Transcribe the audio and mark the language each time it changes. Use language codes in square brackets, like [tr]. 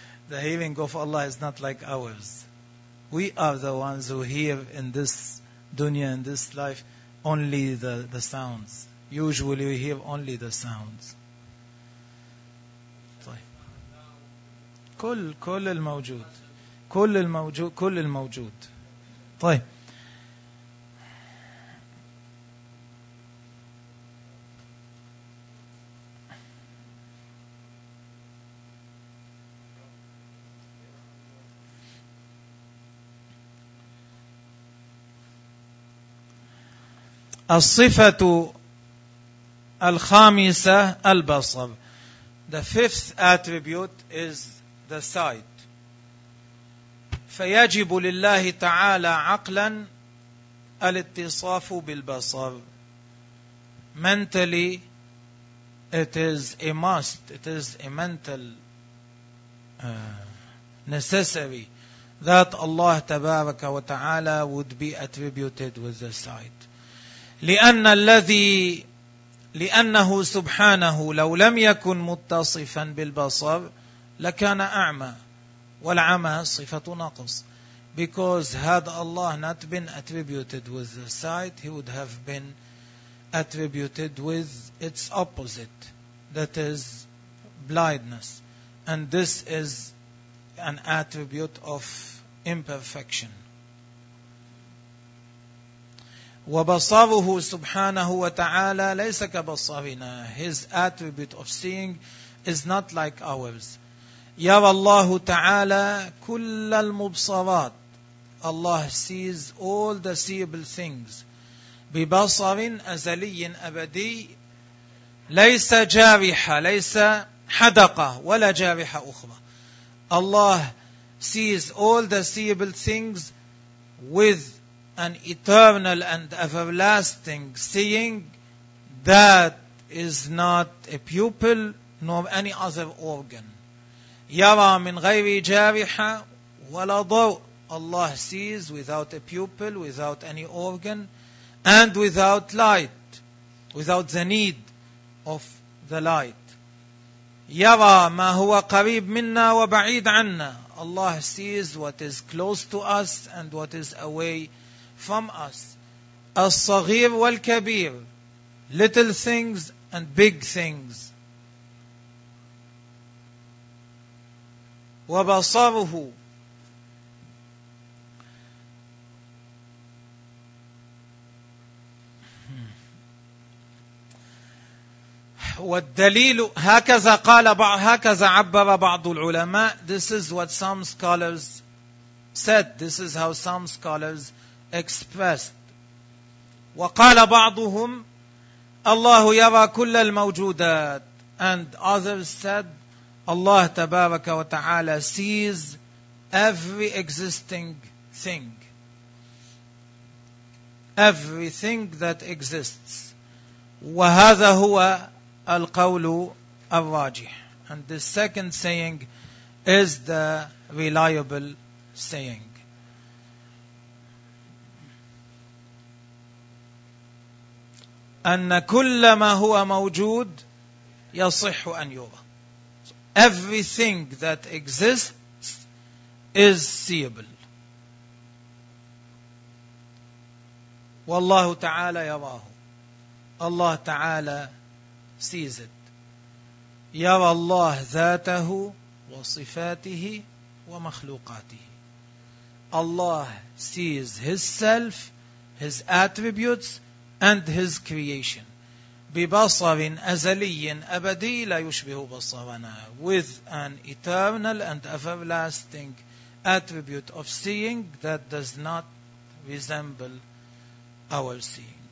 [en] The hearing of Allah is not like ours. We are the ones who hear in this dunya, in this life, only the sounds. Usually we hear only the sounds. [ar] كل الموجود كل الموجود كل الموجود. طيب الصفة الخامسة البصر. [en] The fifth attribute is the sight. [ar] فيجب لله تعالى عقلا الاتصاف بالبصر. [en] Mentally, it is a must, it is a mental necessary that Allah [ar] تبارك وتعالى [en] would be attributed with the sight. [ar] لأن الذي لأنه سبحانه لو لم يكن متصفا بالبصر لكان أعمى والعمى صفة نقص. [en] Because had Allah not been attributed with the sight, He would have been attributed with its opposite, that is blindness. And this is an attribute of imperfection. [ar] وبصره سبحانه وتعالى ليس كبصرنا. [en] His attribute of seeing is not like ours. [ar] يرى الله تعالى كل المبصرات. [en] Allah sees all the seeable things. [ar] ببصر أزلي أبدي ليس جارحة ليس حدقة ولا جارحة أخرى. [en] Allah sees all the seeable things with an eternal and everlasting seeing that is not a pupil nor any other organ. [ar] يرى من غير جارحة ولا ضوء. [en] Allah sees without a pupil, without any organ, and without light, without the need of the light. [ar] يرى ما هو قريب منا وبعيد عنا. [en] Allah sees what is close to us and what is away from us. [ar] الصغير والكبير, [en] little things and big things. [ar] وبصره والدليل هكذا قال هكذا عبر بعض العلماء. [en] This is what some scholars said. This is how some scholars expressed [ar] وقال بعضهم الله يرى كل الموجودات, [en] and others said [ar] الله تبارك وتعالى [en] sees every existing thing, everything that exists. [ar] وهذا هو القول الراجح, [en] and the second saying is the reliable saying. [ar] أن كل ما هو موجود يصح أن يرى. [en] Everything that exists is seeable. [ar] والله تعالى يراه. الله تعالى [en] sees it. [ar] يرى الله ذاته وصفاته ومخلوقاته. [en] الله sees himself, his attributes, and his creation. [ar] ببصر أزلي أبدي لا يشبه بصرنا. [en] With an eternal and everlasting attribute of seeing that does not resemble our seeing.